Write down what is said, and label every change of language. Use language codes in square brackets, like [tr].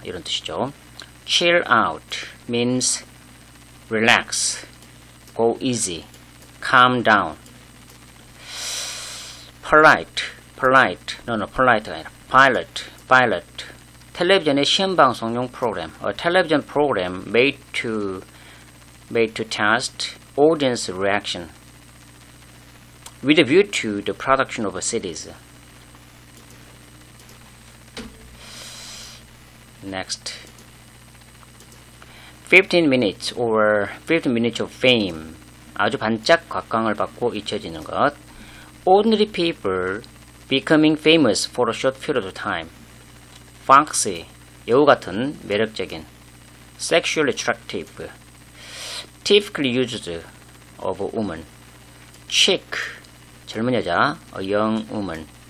[ko] 이런 뜻이죠. [en] Chill out means relax, go easy, calm down. Pilot. [ko] 텔레비전의 시험 방송용 프로그램. [en] A television program made to test audience reaction with a view to the production of a series. Next. 15 minutes of fame. [ko] 아주 반짝 각광을 받고 잊혀지는 것. [en] Ordinary people becoming famous for a short period of time. Foxy, [ko] 여우 같은 매력적인. [en] Sexually attractive, typically used of a woman. Chick, [ko] 젊은 여자, [en] a young woman.